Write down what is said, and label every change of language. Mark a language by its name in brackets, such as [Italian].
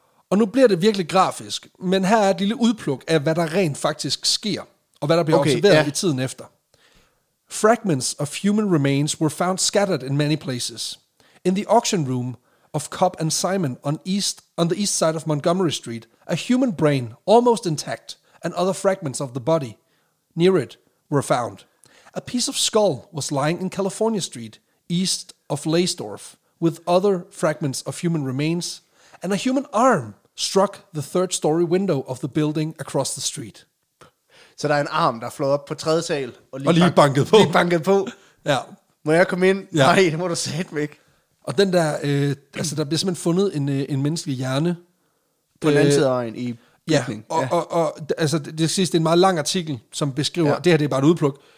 [Danish] Og nu bliver det virkelig grafisk, men her er et lille udpluk af, hvad der rent faktisk sker, og hvad der bliver observeret i tiden efter. [English] Fragments of human remains were found scattered in many places. In the auction room of Cobb and Simon on the east side of Montgomery Street, a human brain, almost intact, and other fragments of the body near it were found. A piece of skull was lying in California Street, east of Leisdorf, with other fragments of human remains, and a human arm struck the third story window of the building across the street. [Danish] Så der er en arm, der flåede op på tredje sal. Og lige banket på. Ja. Må jeg komme ind? Ja. Nej, det må du sætte mig ikke. Og den der, altså der bliver simpelthen fundet en menneskelig hjerne. På den anden side af øjen i bygningen. Ja, og det sidste er en meget lang artikel, som beskriver, det her det er bare et udpluk.